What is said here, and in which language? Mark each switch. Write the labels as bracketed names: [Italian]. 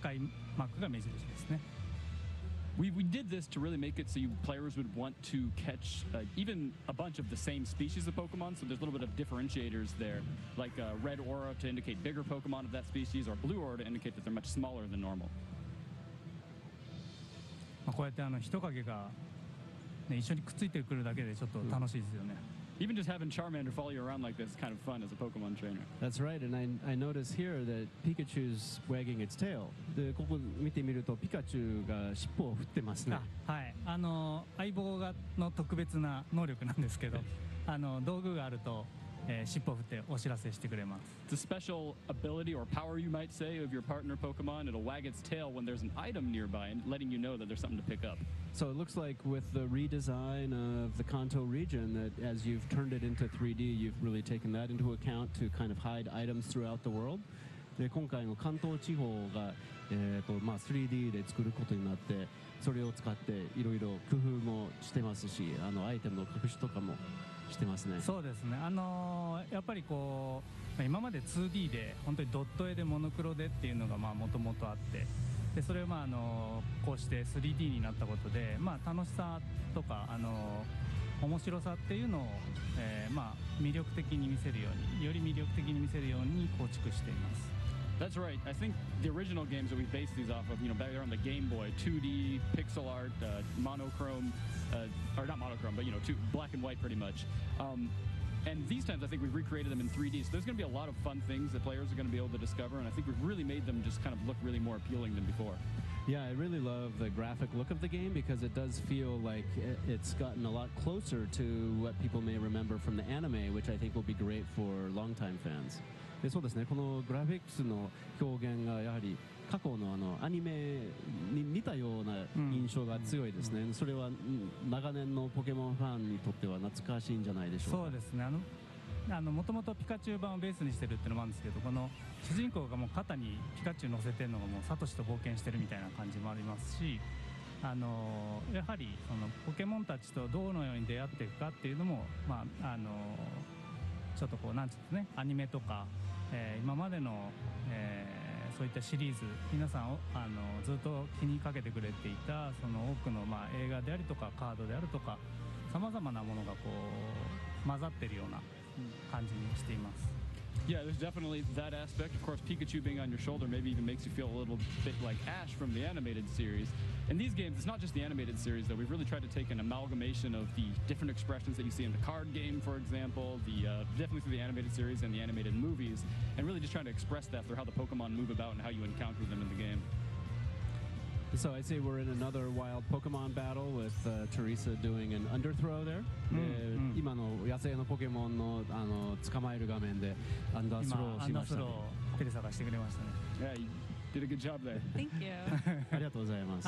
[Japanese] 赤いマークが目印ですね。 [English] We did this to really make it so you players would want to catch even a bunch of the same species of Pokemon, so there's a little bit of differentiators there, like a red aura to indicate bigger Pokemon of that species, or blue aura to indicate that they're much smaller than normal. [Japanese] こうやってあの人影が、ね、一緒にくっついてくるだけでちょっと楽しいですよね。 [English] Even just having Charmander follow you around like this is kind of fun as a Pokemon trainer. That's right, and I notice here that Pikachu's wagging its tail. [Japanese] で、ここ見てみるとピカチュウが尻尾を振ってますね。はい、あの相棒がの特別な能力なんですけど、あの道具があると、尻尾を振ってお知らせしてくれます。 [English] It's a special ability or power, you might say, of your partner Pokemon. It'll wag its tail when there's an item nearby, and letting you know that there's something to pick up. So it looks like with the redesign of the Kanto region that as you've turned it into 3D, you've really taken that into account to kind of hide items throughout the world. [Japanese] で、今回の関東地方が、まあ、3D で作ることになって、それを使っていろいろ工夫もしてますし、あのアイテムの隠しとかもしてますね。そうですね。やっぱりこう、今まで 2D で本当にドット絵でモノクロでっていうのがまあ元々あって、でそれはこうして 3D になったことで、まあ、楽しさとか面白さっていうのを、まあ、魅力的に見せるようにより魅力的に見せるように構築しています。 [English] That's right. I think the original games that we based these off of, you know, back there on the Game Boy, 2D, pixel art, monochrome, or not monochrome, but you know, black and white pretty much. And these times I think we've recreated them in 3D, so there's going to be a lot of fun things that players are going to be able to discover, and I think we've really made them just kind of look really more appealing than before. Yeah, I really love the graphic look of the game because it does feel like it's gotten a lot closer to what people may remember from the anime, which I think will be great for longtime fans. [Japanese] そうですね、このグラフィックスの表現がやはり過去のあのアニメに似たような印象が強いですね。それは長年のポケモンファンにとっては懐かしいんじゃないでしょうか。そうですね。もともとピカチュウ版をベースにしてるっていうのもあるんですけど、この主人公がもう肩にピカチュウ乗せてるのがもうサトシと冒険してるみたいな感じもありますし、やはりそのポケモンたちとどうのように出会っていくかっていうのも、まあ、ちょっとこうなんていうんですね、アニメとか、今までの、そういったシリーズ、皆さんをずっと気にかけてくれていたその多くの、まあ、映画であるとかカードであるとか、さまざまなものがこう混ざってるような感じにしています。 [English] Yeah, there's definitely that aspect. Of course, Pikachu being on your shoulder maybe even makes you feel a little bit like Ash from the animated series. In these games, it's not just the animated series, though. We've really tried to take an amalgamation of the different expressions that you see in the card game, for example, definitely through the animated series and the animated movies, and really just trying to express that through how the Pokemon move about and how you encounter them in the game. So I say we're in another wild Pokemon battle with Teresa doing an underthrow there. Mm-hmm. [Japanese] 今の野生のポケモンの、あの、捕まえる画面でアンダースローをしましたね。テレサがしてくれましたね。 [English] Yeah, you did a good job there. Thank you. [Japanese] ありがとうございます。